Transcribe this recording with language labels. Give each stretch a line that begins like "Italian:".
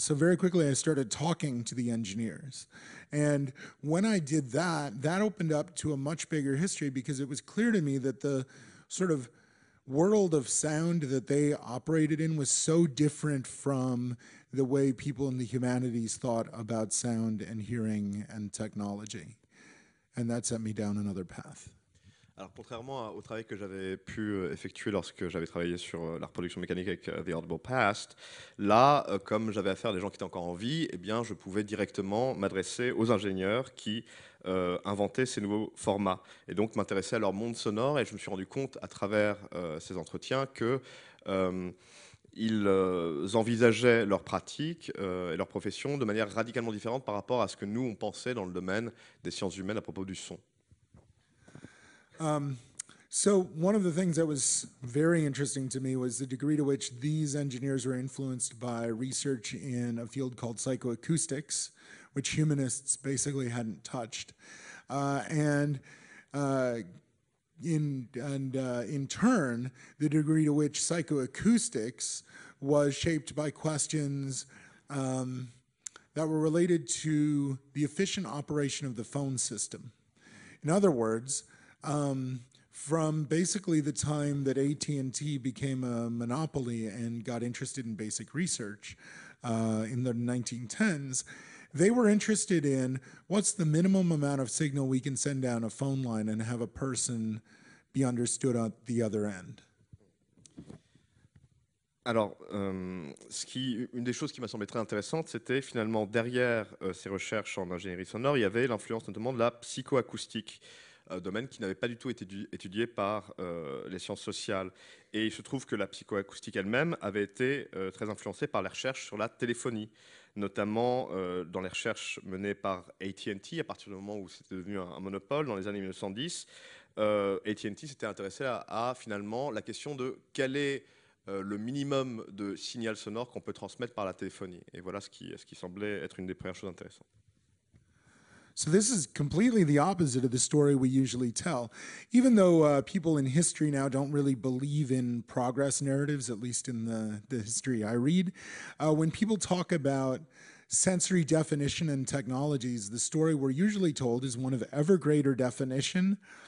English: So very quickly I started talking to the engineers. And when I did that, that opened up to a much bigger history because it was clear to me that the sort of world of sound that they operated in was so different from the way people in the humanities thought about sound and hearing and technology. And that set me down another path.
French: Alors, contrairement au travail que j'avais pu effectuer lorsque j'avais travaillé sur la reproduction mécanique avec The Audible Past, là, comme j'avais affaire à des gens qui étaient encore en vie, eh bien, je pouvais directement m'adresser aux ingénieurs qui inventaient ces nouveaux formats et donc m'intéresser à leur monde sonore. Et je me suis rendu compte à travers ces entretiens qu'ils envisageaient leur pratique et leur profession de manière radicalement différente par rapport à ce que nous, on pensait dans le domaine des sciences humaines à propos du son.
English: So one of the things that was very interesting to me was the degree to which these engineers were influenced by research in a field called psychoacoustics, which humanists basically hadn't touched. In turn, the degree to which psychoacoustics was shaped by questions that were related to the efficient operation of the phone system. In other words, from basically the time that AT&T became a monopoly and got interested in basic research in the 1910s, they were interested in what's the minimum amount of signal we can send down a phone line and have a person be understood at the other end.
French: Alors, une des choses qui m'a semblé très intéressante, c'était finalement derrière ces recherches en ingénierie sonore, il y avait l'influence notamment de la psychoacoustique. Domaine qui n'avait pas du tout été étudié par les sciences sociales. Et il se trouve que la psychoacoustique elle-même avait été très influencée par les recherches sur la téléphonie, notamment dans les recherches menées par AT&T à partir du moment où c'était devenu un monopole dans les années 1910. AT&T s'était intéressé à finalement la question de quel est le minimum de signal sonore qu'on peut transmettre par la téléphonie. Et voilà ce qui semblait être une des premières choses intéressantes.
English: So this is completely the opposite of the story we usually tell. Even though people in history now don't really believe in progress narratives, at least in the history I read, when people talk about sensory definition and technologies, the story we're usually told is one of ever greater definition.